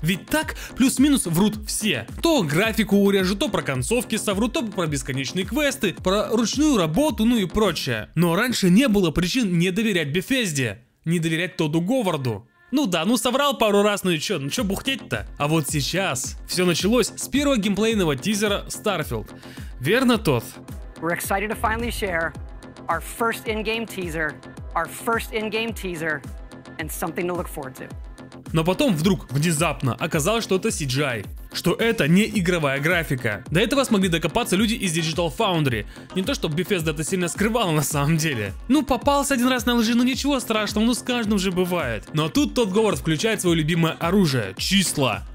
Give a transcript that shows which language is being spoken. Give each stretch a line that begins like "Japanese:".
Russian: Ведь так плюс-минус врут все. То графику урежут, то про концовки соврут, то про бесконечные квесты, про ручную работу, ну и прочее. Но раньше не было причин не доверять Bethesda, не доверять Тодду Говарду. Ну да, ну соврал пару раз, ну чё бухтеть-то? А вот сейчас все началось с первого геймплейного тизера Starfield. Верно, Тодд?
English: We're excited to finally share our first in-game teaser, and something to look forward to.
Russian: Но потом вдруг, внезапно, оказалось, что это CGI. Что это не игровая графика. До этого смогли докопаться люди из Digital Foundry. Не то, чтобы Bethesda это сильно скрывала на самом деле. Ну, попался один раз на лжи, ну ничего страшного, ну с каждым же бывает. Но тут Тодд Говард включает свое любимое оружие — числа.